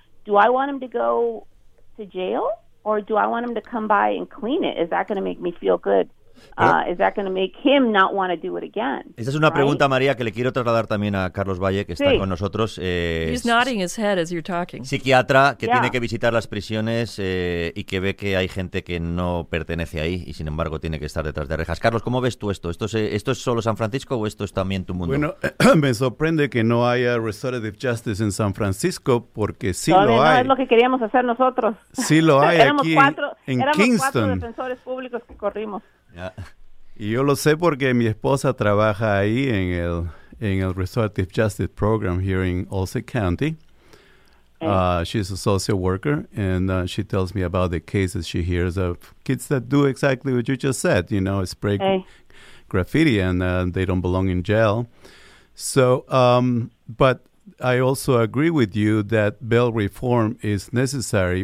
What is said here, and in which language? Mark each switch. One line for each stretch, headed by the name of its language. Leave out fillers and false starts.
English: Do I want him to go to jail, or do I want him to come by and clean it? Is that going to make me feel good? Is that going to make him not want to do it again?
Spanish: Esa es una pregunta, María, que le quiero trasladar también a Carlos Valle, que está con nosotros.
English: He's nodding his head as you're talking.
Spanish: Psiquiatra que tiene que visitar las prisiones y que ve que hay gente que no pertenece ahí y, sin embargo, tiene que estar detrás de rejas. Carlos, ¿cómo ves tú esto? ¿Esto es solo San Francisco o esto es también tu mundo? Bueno, me sorprende que no haya restorative justice en San Francisco, porque sí todavía lo hay. No es lo que queríamos hacer nosotros. Sí lo hay aquí en Kingston. Éramos cuatro defensores públicos que corrimos. Yeah. Y yo lo sé porque mi esposa trabaja ahí en el Restorative Justice Program
English: here in Olsen County. She's a social worker, and she tells me about the cases she hears of kids that do exactly what you just said, you know, spray graffiti, and they don't belong in jail. So, but I also agree with you that bail reform is necessary.